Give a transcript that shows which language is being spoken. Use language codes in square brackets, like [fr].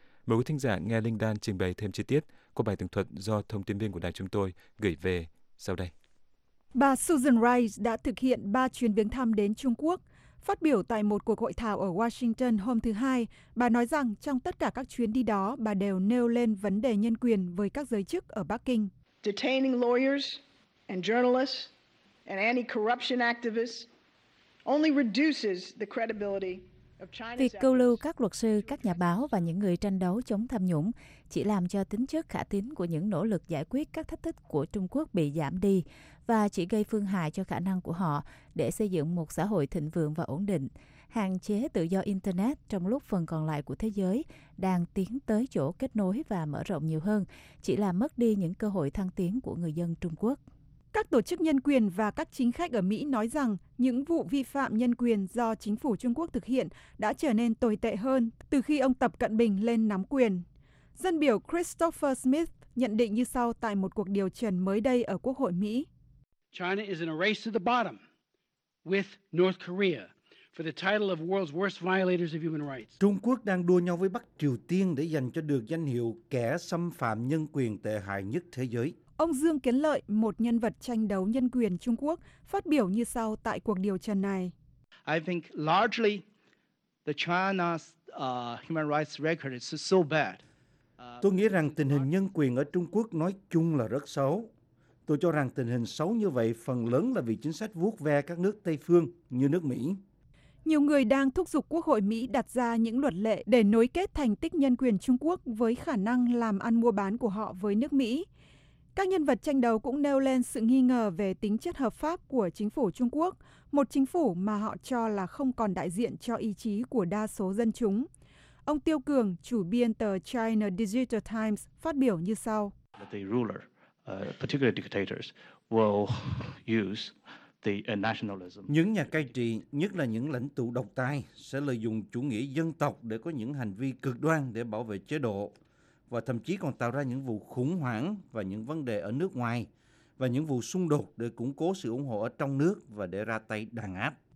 [vi] Mời quý thính giả nghe Linh Đan trình bày thêm chi tiết của bài tường thuật do thông tin viên của đài chúng tôi gửi về sau đây. Bà Susan Rice đã thực hiện 3 chuyến viếng thăm đến Trung Quốc. Phát biểu tại một cuộc hội thảo ở Washington hôm thứ Hai, bà nói rằng trong tất cả các chuyến đi đó, bà đều nêu lên vấn đề nhân quyền với các giới chức ở Bắc Kinh. [en] Detaining lawyers and journalists and anti-corruption activists only reduces the credibility. [vi] Việc câu lưu các luật sư, các nhà báo và những người tranh đấu chống tham nhũng chỉ làm cho tính chất khả tín của những nỗ lực giải quyết các thách thức của Trung Quốc bị giảm đi và chỉ gây phương hại cho khả năng của họ để xây dựng một xã hội thịnh vượng và ổn định, hạn chế tự do Internet trong lúc phần còn lại của thế giới đang tiến tới chỗ kết nối và mở rộng nhiều hơn, chỉ làm mất đi những cơ hội thăng tiến của người dân Trung Quốc. Các tổ chức nhân quyền và các chính khách ở Mỹ nói rằng những vụ vi phạm nhân quyền do chính phủ Trung Quốc thực hiện đã trở nên tồi tệ hơn từ khi ông Tập Cận Bình lên nắm quyền. Dân biểu Christopher Smith nhận định như sau tại một cuộc điều trần mới đây ở Quốc hội Mỹ. [en] China is in a race to the bottom with North Korea for the title of world's worst violators of human rights. [vi] Trung Quốc đang đua nhau với Bắc Triều Tiên để giành cho được danh hiệu kẻ xâm phạm nhân quyền tệ hại nhất thế giới. Ông Dương Kiến Lợi, một nhân vật tranh đấu nhân quyền Trung Quốc, phát biểu như sau tại cuộc điều trần này. [en] I think largely the China's human rights record is so bad. [vi] Tôi nghĩ rằng tình hình nhân quyền ở Trung Quốc nói chung là rất xấu. Tôi cho rằng tình hình xấu như vậy phần lớn là vì chính sách vuốt ve các nước Tây phương như nước Mỹ. Nhiều người đang thúc giục Quốc hội Mỹ đặt ra những luật lệ để nối kết thành tích nhân quyền Trung Quốc với khả năng làm ăn mua bán của họ với nước Mỹ. Các nhân vật tranh đấu cũng nêu lên sự nghi ngờ về tính chất hợp pháp của chính phủ Trung Quốc, một chính phủ mà họ cho là không còn đại diện cho ý chí của đa số dân chúng. Ông Tiêu Cường, chủ biên tờ China Digital Times, phát biểu như sau. [en] The ruler, particularly dictators, will use the nationalism. [vi] Những nhà cai trị, nhất là những lãnh tụ độc tài, sẽ lợi dụng chủ nghĩa dân tộc để có những hành vi cực đoan để bảo vệ chế độ, và thậm chí còn tạo ra những vụ khủng hoảng và những vấn đề ở nước ngoài và những vụ xung đột để củng cố sự ủng hộ ở trong nước và để ra tay đàn áp.